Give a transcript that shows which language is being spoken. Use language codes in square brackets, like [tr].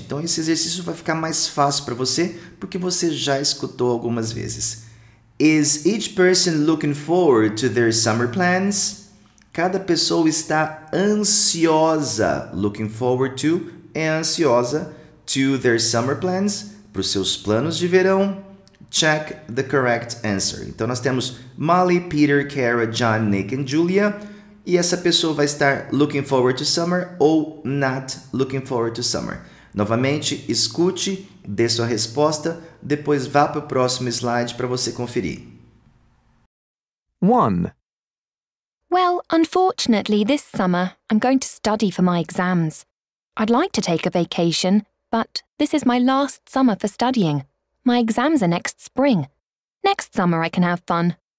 [pt] Então, esse exercício vai ficar mais fácil para você, porque você já escutou algumas vezes. [en] Is each person looking forward to their summer plans? [pt] Cada pessoa está ansiosa, [en] looking forward to, [pt] é ansiosa, [en] to their summer plans, [pt] para os seus planos de verão. [en] Check the correct answer. [pt] Então, nós temos [en] Molly, Peter, Kara, John, Nick and Julia. [pt] E essa pessoa vai estar [en] looking forward to summer [pt] ou [en] not looking forward to summer. [pt] Novamente, escute, dê sua resposta, depois vá para o próximo slide para você conferir. 1. [en] Well, unfortunately, this summer, I'm going to study for my exams. I'd like to take a vacation, but this is my last summer for studying. My exams are next spring. Next summer, I can have fun.